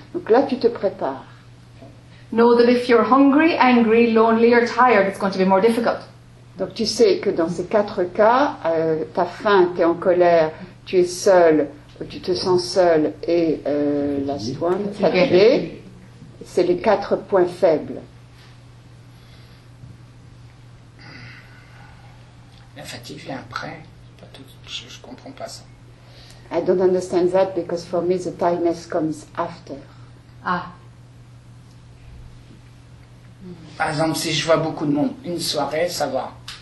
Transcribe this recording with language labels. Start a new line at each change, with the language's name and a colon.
French: Donc là, tu te prépares.
English: Know that if you're hungry, angry, lonely or tired, it's going to be more difficult.
French: Donc tu sais que dans ces quatre cas, t'as faim, t'es en colère, tu es seul, tu te sens seul et
English: last one,
French: fatigué, c'est les quatre points faibles. La fatigue vient après, je comprends pas ça.
English: I don't understand that because for me the tiredness comes after. Ah.
French: Par exemple, si je vois beaucoup de monde, une soirée, ça va.